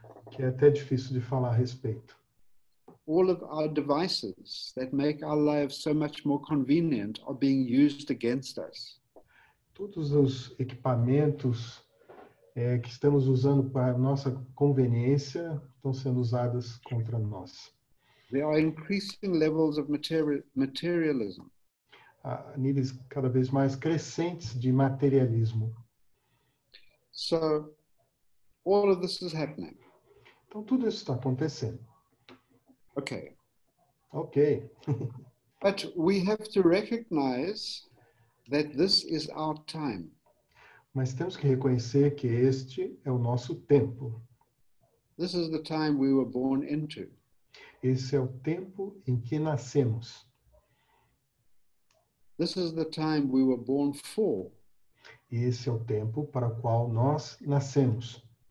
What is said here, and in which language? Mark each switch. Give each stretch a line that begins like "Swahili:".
Portuguese: Que é até difícil de falar a respeito.
English: All of our devices that make our lives so much more convenient are being used against us.
Portuguese: Todos os equipamentos que estamos usando para nossa conveniência estão sendo usados contra nós.
English: There are increasing levels of materialism.
Portuguese: A níveis cada vez mais crescentes de materialismo.
English: So, all of this is happening.
Portuguese: Então, tudo isso está acontecendo.
English: Okay. But we have to recognize that this is our time.
Portuguese: Mas temos que reconhecer que este é o nosso tempo.
English: This is the time we were born into.
Portuguese: Esse é o tempo em que nascemos.
English: This is the time we were born for.
Portuguese: Esse é o tempo para o qual nós nascemos.